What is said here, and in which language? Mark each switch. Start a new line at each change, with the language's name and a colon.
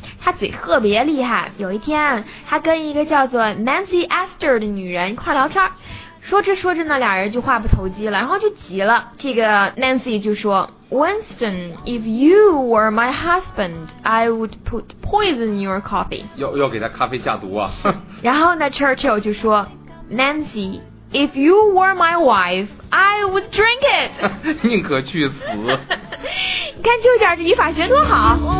Chinese: 他嘴特别厉害，有一天他跟一个叫做 Nancy Astor 的女人一块聊天，说着说着呢，俩人就话不投机了，然后就急了。这个
English: Nancy
Chinese: 就说
English: Winston, if you were my husband, I would put poison in your coffee.
Chinese: 要给他咖啡下毒啊。然后呢
English: Churchill
Chinese: 就说
English: Nancy, if you were my wife, I would drink it.
Chinese: 宁可去死。你看舅舅这语法学多好。